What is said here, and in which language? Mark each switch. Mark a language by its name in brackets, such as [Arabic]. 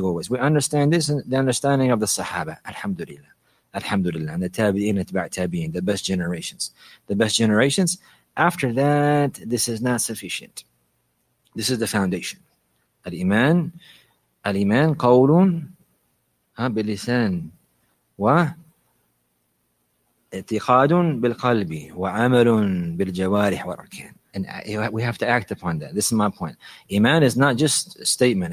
[English] We understand this and the understanding of the Sahaba. Alhamdulillah. Alhamdulillah. And the Tabi'in and Tabi'at Tabi'in. The best generations. The best generations. After that, this is not sufficient. This is the foundation. Al-Iman [Arabic] الإيمان قول باللسان واعتقاد بالقلب وعمل بالجوارح والأركان. [English] And we have to act upon that. This is my point. Iman is not just a statement.